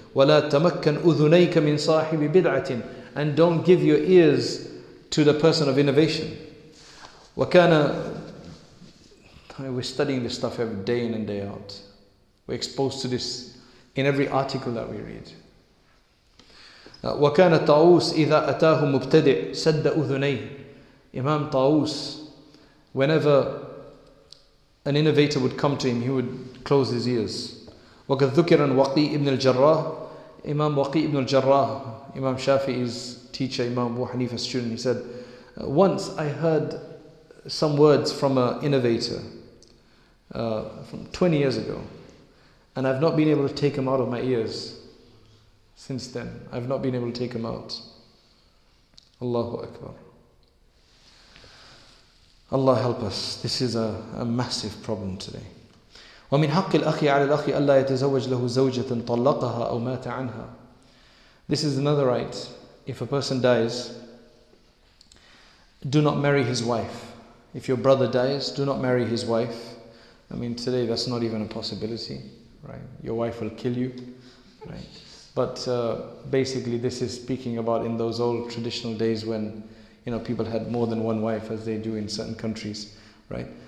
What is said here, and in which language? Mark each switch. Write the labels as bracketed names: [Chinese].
[Arabic] ولا تمكن أذنيك من صاحب بدعة, [English] and don't give your ears to the person of innovation. [Arabic] وكان, [English] we're studying this stuff every day in and day out. We're exposed to this in every article that we read. [Arabic] وكان طاووس إذا أتاه مبتدئ سد أذنيه. [English] Imam Taus, whenever an innovator would come to him, he would close his ears. [Arabic] وقد ذكر وقي ابن الجراح, [English] Imam Waqi ibn al-Jarrah, Imam Shafi'i's teacher, Imam Abu Hanifa's student, he said, once I heard some words from an innovator from 20 years ago, and I've not been able to take them out of my ears since then. I've not been able to take them out. Allahu Akbar. Allah help us. This is a massive problem today. [Arabic] ومن حق الأخي على الأخي ألا يتزوج له زوجة طلقها أو مات عنها. [English] This is another right. If a person dies, do not marry his wife. If your brother dies, do not marry his wife. I mean, today that's not even a possibility, right? Your wife will kill you, right? But basically, this is speaking about in those old traditional days when, you know, people had more than one wife, as they do in certain countries, right?